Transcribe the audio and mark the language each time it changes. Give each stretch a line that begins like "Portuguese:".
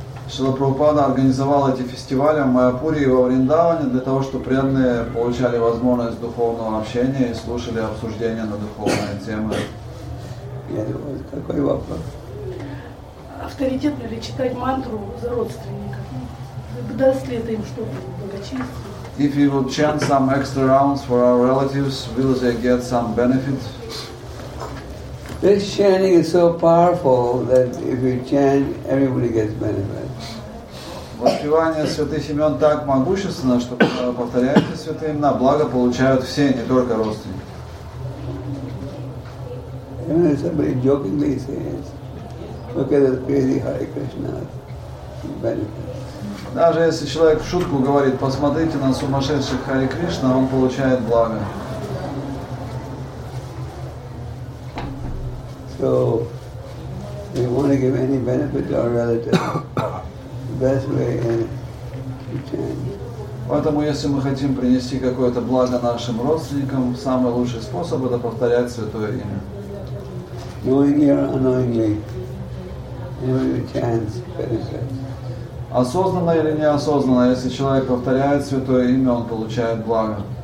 Russian: Шрила Прабхупада организовал эти фестивали в Майяпуре и во Вриндаване для того, чтобы преданные получали возможность духовного общения и слушали обсуждения на духовные темы. Такой вопрос. Авторитетно ли читать мантру за родственников? Даст ли это им что-то благочестие?
English: If you would chant some extra rounds for our relatives, will they get some benefit? This chanting is so powerful that if you chant, everybody gets benefit.
Russian: Воспевание святых имен так могущественно, что когда вы повторяете святые имена, благо получают все, не только родственники.
English: Even if somebody jokingly says, look at that crazy Hare Krishna, benefit.
Russian: Даже если человек в шутку говорит, посмотрите на сумасшедших Хари Кришна, он получает благо.
English: So, if you want to give any benefit to our relatives, the best way is to chant.
Russian: Поэтому, если мы хотим принести какое-то благо нашим родственникам, самый лучший способ – это повторять святое имя.
English: Knowingly or unknowingly, anybody who chants benefits.
Russian: Осознанно или неосознанно, если человек повторяет святое имя, он получает благо.